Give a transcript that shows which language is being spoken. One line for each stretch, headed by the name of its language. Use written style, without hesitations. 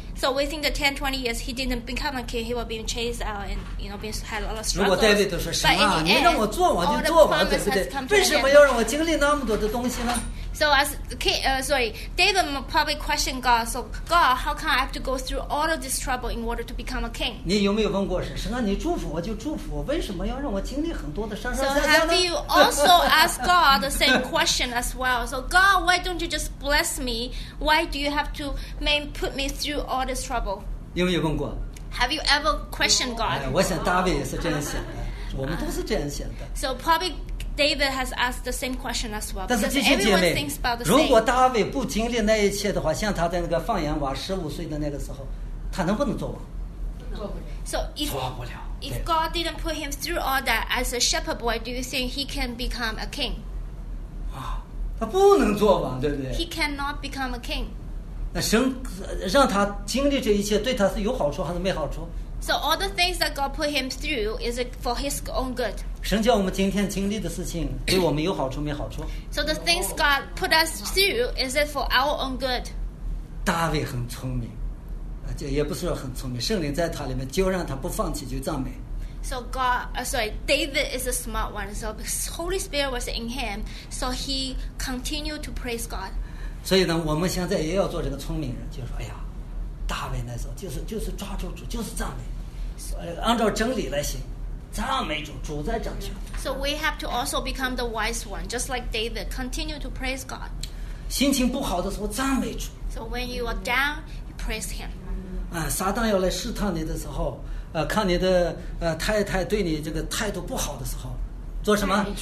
English: So within the 10-20 years, he didn't become a king. He was being chased out and, you know, being had a lot of struggles.
Chinese: 如果戴维都说神啊，你让我做王就做王，对不对？为什么要让我经历那么多的东西呢？
English: So as king, David probably questioned God. So God, how come I have to go through all of this trouble in order to become a king?
Chinese: 你有没有问过神？神啊，你祝福我就祝福我，为什么要让我经历很多的上上下下呢？
English: So have you also asked God the same question as well? So God, why don't you just bless me? Why do you have to put me through all this trouble?
Chinese: 有没有问过？
English: Have you ever questioned God?
Chinese: 我想大卫也是这样想的，我们都是这样想的。
English: So probably David has asked the same question as well.
Chinese: 但是这些姐妹，如果大卫不经历那一切的话，像他在那个放羊娃十五岁的那个时候，他能不能做王？做不了。
English: So if,
Chinese: 做不了。
English: If God didn't put him through all that as a shepherd boy, do you think he can become a king?
Chinese: 啊，他不能做王，对不对
English: ？He cannot become a king.
Chinese: 那神让他经历这一切，对他是有好处还是没好处？
English: So all the things that God put him through is for his own good.
Chinese: 神叫我们今天经历的事情对我们有好处没好处？
English: So the things God put us through is it for our own good?
Chinese: 大卫很聪明，也不是说很聪明，圣灵在他里面就让他不放弃就赞美。
English: So David is a smart one. So Holy Spirit was in him, so he continued to praise God.
Chinese: 所以呢，我们现在也要做这个聪明人，就是说，哎呀。大卫那时候就是抓住主，就是赞美，按照真理来行，赞美主，主在掌权。
English: So we have to also become the wise one, just like David, continue to praise God.
Chinese: 心情不好的时候赞美主。
English: So when you are down, you praise him.
Chinese: 啊，撒旦要来试探你的时候，看你的太太对你这个态度不好的时候，做什么？